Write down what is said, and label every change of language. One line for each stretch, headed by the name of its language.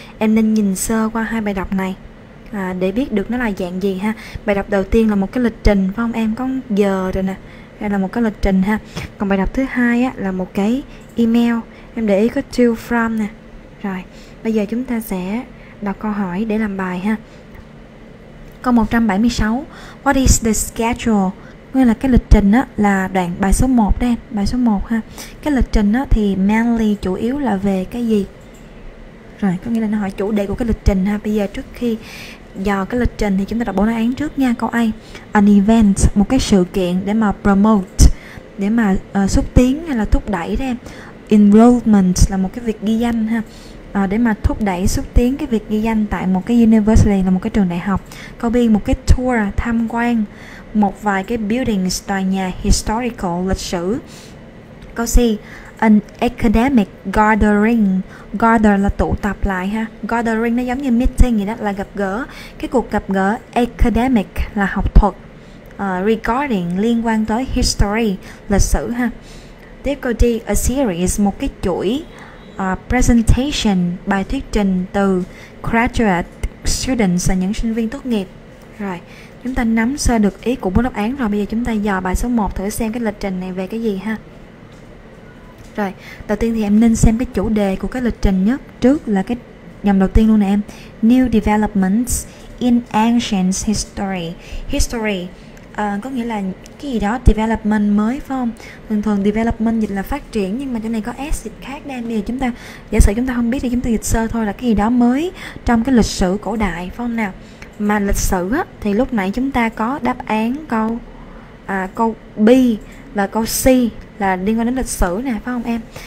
Vietnamese: Em nên nhìn sơ qua hai bài đọc này để biết được nó là dạng gì ha. Bài đọc đầu tiên là một cái lịch trình phải không em, có giờ rồi nè, đây là một cái lịch trình ha. Còn bài đọc thứ hai á là một cái email, em để ý có to from nè. Rồi bây giờ chúng ta sẽ đọc câu hỏi để làm bài ha. Câu 176,
English: what is the schedule?
Vietnamese: Nguyên là cái lịch trình á, là đoạn bài số 1 đây, bài số 1 ha. Cái lịch trình á, thì mainly chủ yếu là về cái gì? Rồi, có nghĩa là nó hỏi chủ đề của cái lịch trình ha. Bây giờ trước khi dò cái lịch trình thì chúng ta đọc bốn đáp án trước nha. Câu A, an event, một cái sự kiện để mà promote, để mà xúc tiến hay là thúc đẩy đây. Enrollment là một cái việc ghi danh ha. Để mà thúc đẩy xúc tiến cái việc ghi danh tại một cái university, là một cái trường đại học. Câu B, một cái tour tham quan một vài cái buildings, tòa nhà historical, lịch sử. Câu C,
English: an academic gathering.
Vietnamese: Gather là tụ tập lại ha. Gathering nó giống như meeting vậy đó, là gặp gỡ. Cái cuộc gặp gỡ academic là học thuật. Regarding liên quan tới history, lịch sử ha. Tiếp câu D, a series, một cái chuỗi presentation, bài thuyết trình từ graduate students, là những sinh viên tốt nghiệp. Rồi, chúng ta nắm sơ được ý của bốn đáp án rồi. Bây giờ chúng ta dò bài số 1 thử xem cái lịch trình này về cái gì ha. Rồi, đầu tiên thì em nên xem cái chủ đề của cái lịch trình nhất. Trước là cái dòng đầu tiên luôn nè em.
English: New developments in ancient history.
Vietnamese: History có nghĩa là cái gì đó, development mới phải không? Thường thường development dịch là phát triển, nhưng mà chỗ này có S dịch khác đây. Bây giờ chúng ta, giả sử chúng ta không biết thì chúng ta dịch sơ thôi, là cái gì đó mới trong cái lịch sử cổ đại phải không nào? Mà lịch sử á, thì lúc nãy chúng ta có đáp án câu câu B và câu C là liên quan đến lịch sử nè, phải không em?